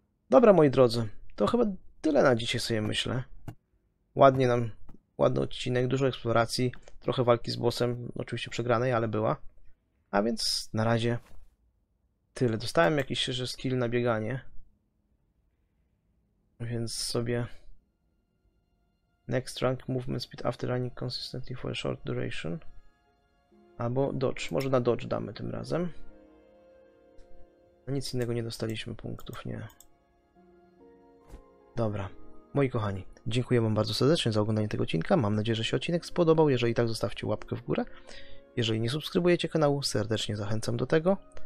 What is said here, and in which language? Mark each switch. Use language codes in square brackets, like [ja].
[pl] Dobra, moi drodzy. To chyba tyle na dzisiaj sobie myślę. Ładnie nam, ładny odcinek, dużo eksploracji, trochę walki z bossem, oczywiście przegranej, ale była. A więc na razie tyle. Dostałem jakiś jeszcze skill na bieganie. Więc sobie [en] next rank movement speed after running consistently for a short duration. [pl] Albo dodge, może na dodge damy tym razem. Nic innego nie dostaliśmy punktów, nie. Dobra. Moi kochani, dziękuję Wam bardzo serdecznie za oglądanie tego odcinka. Mam nadzieję, że się odcinek spodobał. Jeżeli tak, zostawcie łapkę w górę. Jeżeli nie subskrybujecie kanału, serdecznie zachęcam do tego.